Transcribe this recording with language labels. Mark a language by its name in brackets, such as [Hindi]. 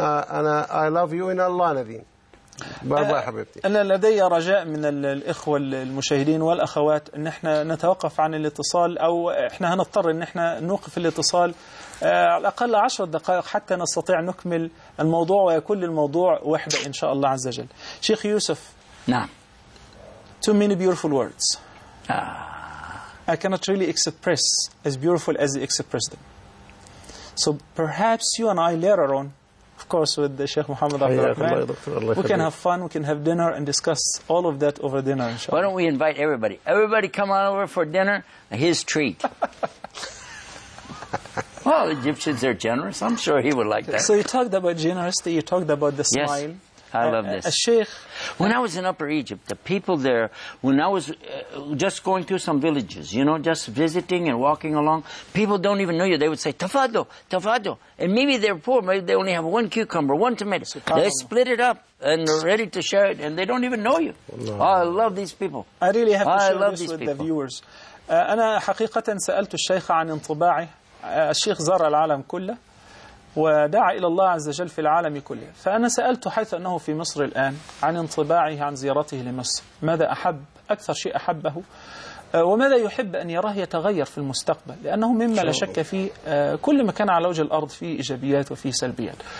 [Arabic] أنا [English] I love you in Allah Nadine. [Arabic] بابا حبيبتي. أنا لدي رجاء من الإخوة المشاهدين والأخوات أن احنا نتوقف عن الاتصال، أو احنا هنضطر أن احنا نوقف الاتصال على الأقل 10 دقائق حتى نستطيع نكمل الموضوع ويكون الموضوع وحدة إن شاء الله عز وجل. شيخ يوسف. [English] Nah. Too many beautiful words. Ah. I cannot really express as beautiful as you express them. So perhaps you and I later on, of course with the Sheikh Muhammad Abdul Rahman, we can have fun, we can have dinner and discuss all of that over dinner, inshallah. Why don't we invite everybody? Everybody come on over for dinner, his treat. Well, Egyptians are generous. I'm sure he would like that. So you talked about generosity, you talked about the yes. smile. I love this. A sheikh. When I was in Upper Egypt, the people there, when I was just going through some villages, you know, just visiting and walking along, people don't even know you. They would say, Tafado, Tafado. And maybe they're poor. Maybe they only have one cucumber, one tomato. They split it up and they're ready to share it, and they don't even know you. Oh, I love these people. I really have to share this with the viewers. [Arabic] أنا حقيقة سألت الشيخ عن انطباعي. الشيخ زار العالم كله. ودعا إلى الله عز وجل في العالم كله، فأنا سألته حيث أنه في مصر الآن عن انطباعه عن زيارته لمصر، ماذا أحب أكثر شيء أحبه وماذا يحب أن يراه يتغير في المستقبل، لأنه مما لا شك فيه كل مكان على وجه الأرض فيه إيجابيات وفيه سلبيات.